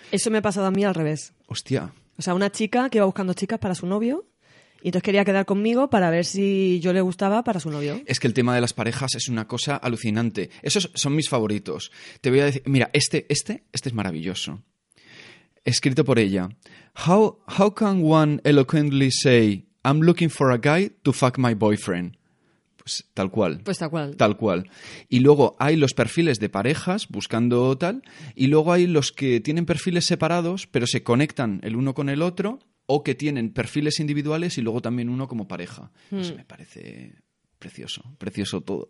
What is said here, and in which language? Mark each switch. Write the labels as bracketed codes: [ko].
[es] Eso me ha pasado a mí al revés. Hostia. O sea, una chica que iba buscando chicas para su novio, y entonces quería quedar conmigo para ver si yo le gustaba para su novio. Es que el tema de las parejas es una cosa alucinante. Esos son mis favoritos. Te voy a decir, mira, este es maravilloso. Escrito por ella. [en] How can one eloquently say, I'm looking for a guy to fuck my boyfriend? [es] Pues tal cual. Pues tal cual. Tal cual. Y luego hay los perfiles de parejas buscando tal, y luego hay los que tienen perfiles separados, pero se conectan el uno con el otro, o que tienen perfiles individuales y luego también uno como pareja. Eso me parece precioso, precioso todo.